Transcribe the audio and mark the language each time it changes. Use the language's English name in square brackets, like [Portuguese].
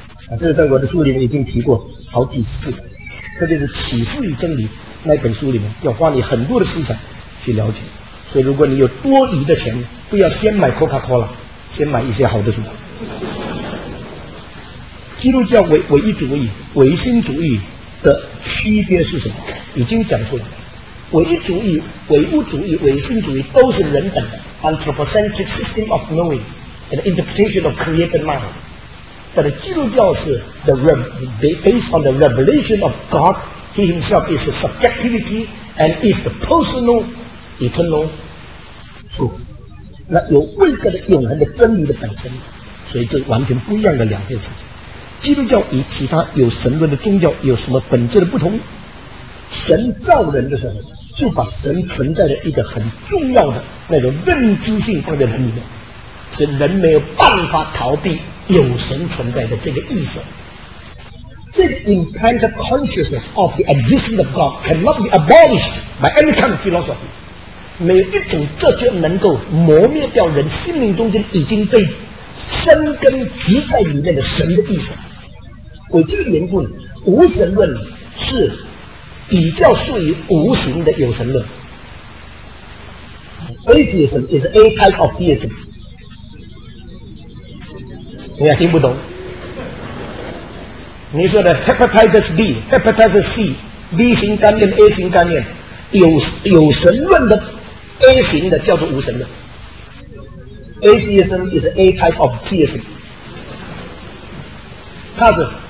[Chinese] 啊，这在我的书里面已经提过好几次，特别是《启示与真理》那本书里面，要花你很多的思想去了解。所以，如果你有多余的钱，不要先买 Coca-Cola， 先买一些好的书。基督教唯一主义、唯心主义的区别是什么？已经讲出来了。唯一主义、唯物主义、唯心主义都是人本的 [English] anthropocentric system of knowing and interpretation of created mind， [Chinese] 但是基督教是 [English] based on the revelation of God， He Himself is the subjectivity and is the personal eternal truth， [Chinese] 那有位格的永恒的真理的本身，所以这完全不一样的两件事情。基督教与其他有神论的宗教有什么本质的不同？神造人的时候就把神存在的一个很重要的那种认知性放在人里面，所以人没有办法逃避有神存在的这个意识。这个 [English] implanted consciousness of the existence of God cannot be abolished by any kind of philosophy， [Chinese] 没有一种哲学能够磨灭掉人心灵中间已经被生根植在里面的神的意识。为这个缘故，无神论是比较属于无形的有神论。 [English] Atheism is a type of theism， [Chinese] 你还听不懂？你说的 Hepatitis B Hepatitis C B 型肝炎 A 型肝炎 有神论的 A 型的叫做无神论。 [English] Atheism is a type of theism， [Chinese] 它是